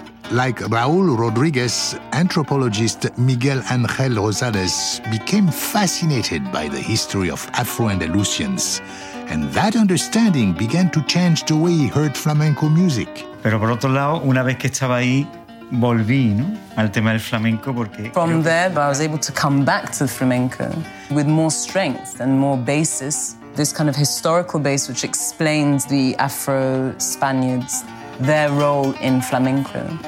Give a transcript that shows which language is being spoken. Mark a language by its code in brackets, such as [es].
[en] Like Raúl Rodríguez, anthropologist Miguel Ángel Rosales became fascinated by the history of Afro-Andalusians, and that understanding began to change the way he heard flamenco music. [es] Pero por otro lado, una vez que estaba ahí, volví, ¿no?, al tema del flamenco porque... [en] From there, I was able to come back to the flamenco with more strength and more basis, this kind of historical base which explains the Afro-Spaniards, their role in flamenco.